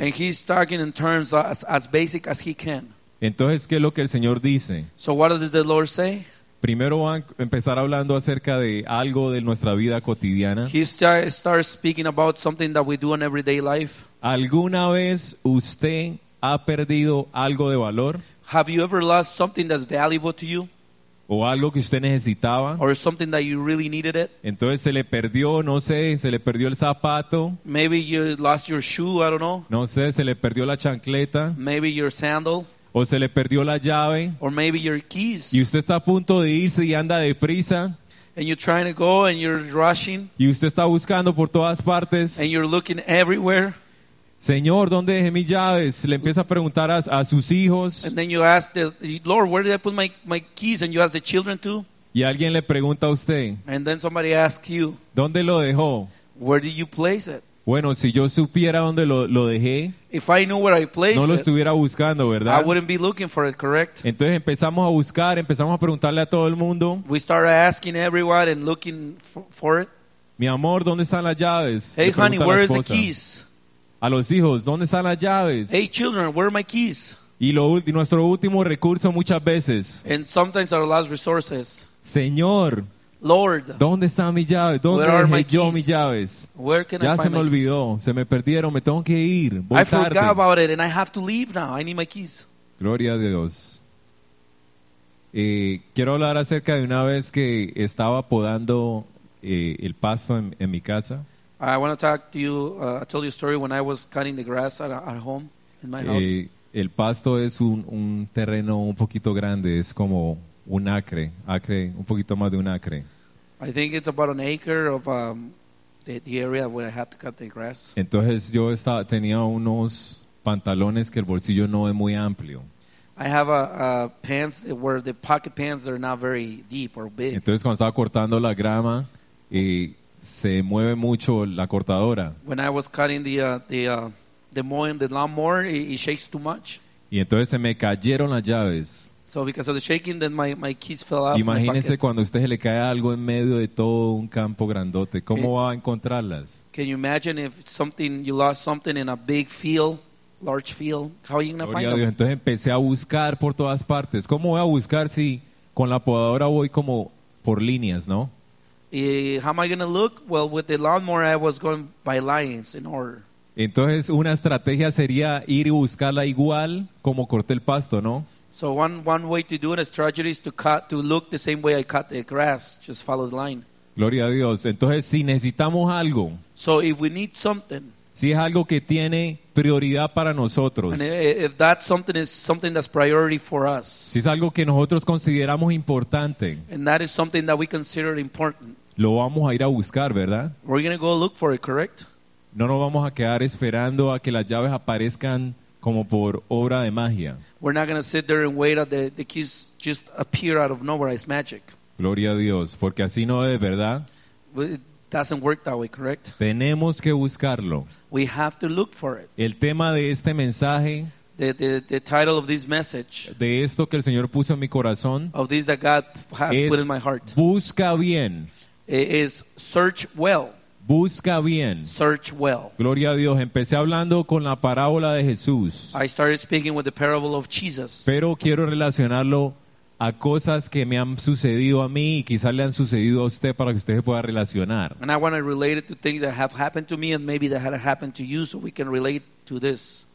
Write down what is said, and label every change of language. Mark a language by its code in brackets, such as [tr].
[en] And he's talking in terms as basic as he can. [es] Entonces, ¿qué es lo que el Señor dice? [en] So what does the Lord say? [es] Primero van a empezar hablando acerca de algo de nuestra vida cotidiana. [en] He starts speaking about something that we do in everyday life. [es] ¿Alguna vez usted ha perdido algo de valor? [en] Have you ever lost something that's valuable to you? [es] ¿O algo que usted necesitaba? [en] Or something that you really needed it? [es] Entonces se le perdió, no sé, se le perdió el zapato. [en] Maybe you lost your shoe, I don't know. [es] No sé, se le perdió la chancleta. [en] Maybe your sandal. [es] O se le perdió la llave. [en] Or maybe your keys. [es] Y usted está a punto de irse y anda deprisa. [en] And you're trying to go and you're rushing. [es] Y usted está buscando por todas partes. [en] And you're looking everywhere. [es] Señor, ¿dónde dejé mis llaves? Le empieza a preguntar a sus hijos. [en] And then you ask the Lord, where did I put my keys? And you ask the children too. [es] Y alguien le pregunta a usted. [en] And then somebody asks you. [es] ¿Dónde lo dejó? [en] Where did you place it? [es] Bueno, si yo supiera dónde lo dejé, [en] if I knew where I placed [es] no lo estuviera buscando, ¿verdad? [en] I wouldn't be looking for it, correct? [es] Entonces empezamos a buscar, empezamos a preguntarle a todo el mundo. [en] We start asking everyone and looking for it. [es] Mi amor, ¿dónde están las llaves? [en] Hey, honey, where is the keys? [es] A los hijos, ¿dónde están las llaves? [en] Hey, children, where are my keys? [es] Y nuestro último recurso muchas veces. [en] And sometimes our last resources. [es] Señor. [en] Lord, [es] ¿dónde están mis llaves? ¿Dónde [en] where are [es] dejé [en] my keys? [es] Yo mis llaves? [en] Where can [es] ya [en] I find [es] se me [en] my [es] olvidó, [en] keys? [es] Se me perdieron, me tengo que ir. [en] I forgot about it and I have to leave now. I need my keys. [es] Gloria a Dios. Quiero hablar acerca de una vez que estaba podando el pasto en mi casa. [en] I want to talk to you. I told you a story when I was cutting the grass at home in my house. [es] El pasto es un terreno un poquito grande. Es como un acre, un poquito más de un acre. [en] I think it's about an acre of the area where I had to cut the grass. [es] Entonces yo tenía unos pantalones que el bolsillo no es muy amplio. [en] I have a pants where the pocket pants are not very deep or big. [es] Entonces cuando estaba cortando la grama y se mueve mucho la cortadora. [en] When I was cutting the mowing the lawnmower, it shakes too much. [es] Y entonces se me cayeron las llaves. [en] So because of the shaking, then my keys fell off. [es] Imagínese cuando a usted se le cae algo en medio de todo un campo grandote. ¿Cómo va a encontrarlas? [en] Can you imagine if something you lost something in a big field, large field? How are you going to find them? [es] Entonces empecé a buscar por todas partes. ¿Cómo voy a buscar si con la podadora voy como por líneas, no? [en] How am I going to look? Well, with the lawnmower, I was going by lines in order. [es] Entonces una estrategia sería ir y buscarla igual como corté el pasto, ¿no? [en] So one way to do it, a strategy is to look the same way I cut the grass, just follow the line. [es] Gloria a Dios. Entonces, si necesitamos algo. [en] So if we need something. [es] Si es algo que tiene prioridad para nosotros. [en] If that something is something that's priority for us. [es] Si es algo que nosotros consideramos importante. [en] And that is something that we consider important. [es] Lo vamos a ir a buscar, ¿verdad? [en] We're going to go look for it, correct? [es] No nos vamos a quedar esperando a que las llaves aparezcan como por obra de magia. [en] We're not going to sit there and wait until the keys just appear out of nowhere. It's magic. [es] Gloria a Dios, porque así no es, ¿verdad? [en] It doesn't work that way, correct? [es] Tenemos que buscarlo. [en] We have to look for it. [es] El tema de este mensaje, [en] the title of this message, [es] de esto que el Señor puso en mi corazón, [en] of this that God has put in my heart, [es] busca bien. [en] Is search well. [es] Busca bien. [en] Search well. [es] Gloria a Dios. Empecé hablando con la parábola de Jesús. [en] I started speaking with the parable of Jesus. [es] Pero quiero relacionarlo a cosas que me han sucedido a mí y quizás le han sucedido a usted para que usted se pueda relacionar. [en] And I want to relate it to things that have happened to me and maybe that had happened to you so we can relate to this.